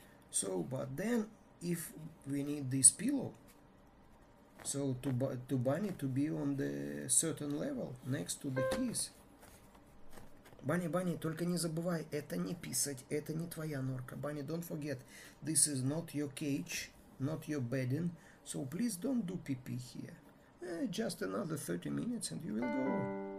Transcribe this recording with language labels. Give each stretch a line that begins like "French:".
English: So, but then if we need this pillow, so to Bunny to be on the certain level next to the keys.
Russian: Bunny, только не забывай, это не писать, это не твоя норка.
English: Bunny, don't forget, this is not your cage, not your bedding, so please don't do pee-pee here. Just another 30 minutes and you will go.